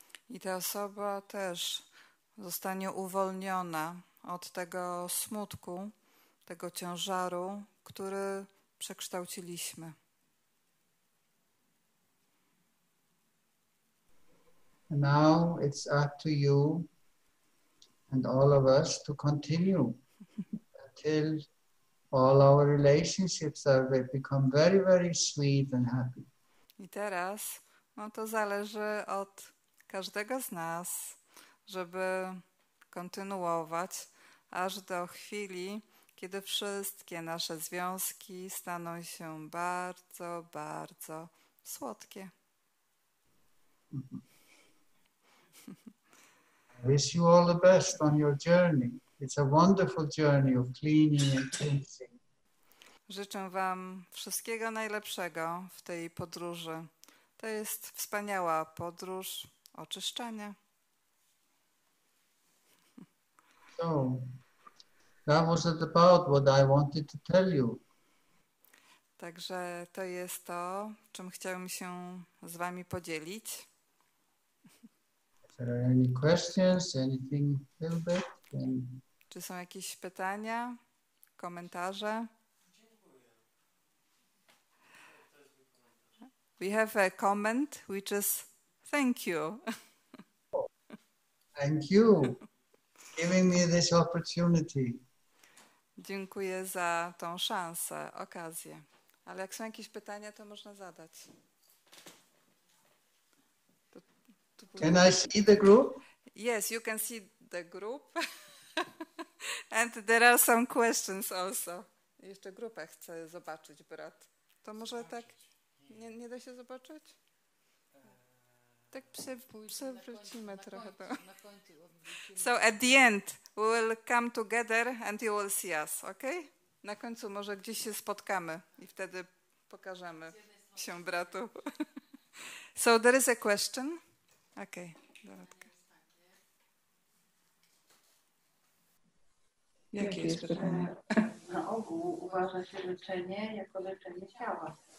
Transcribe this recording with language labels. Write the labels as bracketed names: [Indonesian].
[Polish] I ta osoba też zostanie uwolniona od tego smutku, tego ciężaru, który przekształciliśmy. [English] Now it's up to you and all of us to continue until all our relationships are become very, very sweet and happy. [Polish] I teraz to zależy od każdego z nas, żeby kontynuować aż do chwili, kiedy wszystkie nasze związki staną się bardzo, bardzo słodkie. [English] I wish you all the best on your journey. It's a wonderful journey of cleaning and cleansing. [Polish] Życzę wam wszystkiego najlepszego w tej podróży. To jest wspaniała podróż oczyszczania. [English] So, that was about what I wanted to tell you. [Polish] Także to jest to, czym chciałem się z wami podzielić. [English] If there are any questions, anything a little bit, then... [Polish] Czy są jakieś pytania, komentarze? [English] We have a comment, which is thank you. Thank you for giving me this opportunity. [Polish] Dziękuję za tą szansę, okazję. Ale jak są jakieś pytania, to można zadać. [English] Can I see the group? Yes, you can see the group. And there are some questions also. [Polish] Jeszcze grupę chcę zobaczyć, brat. To może zobaczyć. Tak? Nie da się zobaczyć? Tak przewrócimy trochę to. [English] So at the end we will come together and you will see us, okay? [Polish] Na końcu może gdzieś się spotkamy i wtedy pokażemy się bratu. [English] So there is a question. Okay, Dorotka. [Polish] Jakie jest pytanie? Na ogół uważa się leczenie jako leczenie ciała.